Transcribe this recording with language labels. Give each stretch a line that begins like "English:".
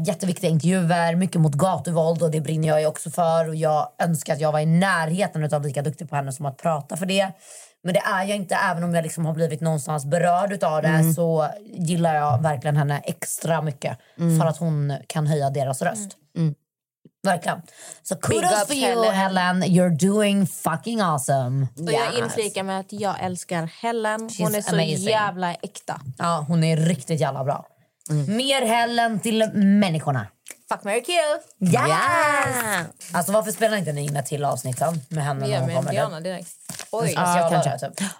Swedish: Jätteviktiga intervjuer, mycket mot gatuvåld. Och det brinner jag ju också för. Och jag önskar att jag var i närheten utav lika duktig på henne som att prata för det. Men det är jag inte, även om jag liksom har blivit någonstans berörd utav det. Mm. Så gillar jag verkligen henne extra mycket. Mm. För att hon kan höja deras röst. Mm. Verkligen. Så kudos för you, Helen.
English: You're doing fucking awesome.
Swedish: Och yes. Jag inflikar med att jag älskar Helen. Hon She's är amazing. Så jävla äkta. Ja, hon är riktigt jävla bra. Mm. Mer Helen till människorna.
English: Fuck, marry, kill. Yes! Yes!
Swedish: Alltså, varför spelar inte ni in ett till avsnitt med henne när hon kommer? Diana, oj, alltså, jag kan köra, typ.